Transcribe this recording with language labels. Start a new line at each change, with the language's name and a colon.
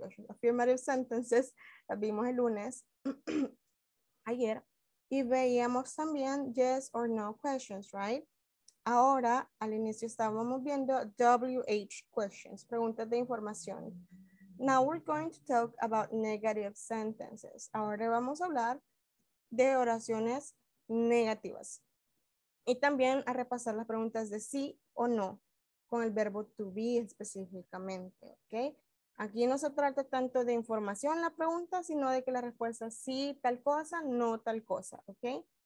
Spanish: Affirmative sentences, las vimos el lunes, ayer, y veíamos también yes or no questions, right? Ahora, al inicio estábamos viendo WH questions, preguntas de información.
English: Now we're going to talk about negative sentences.
Spanish: Ahora vamos a hablar de oraciones negativas. Y también a repasar las preguntas de sí o no, con el verbo to be específicamente, okay? Aquí no se trata tanto de información la pregunta, sino de que la respuesta es sí, tal cosa, no tal cosa, ¿ok?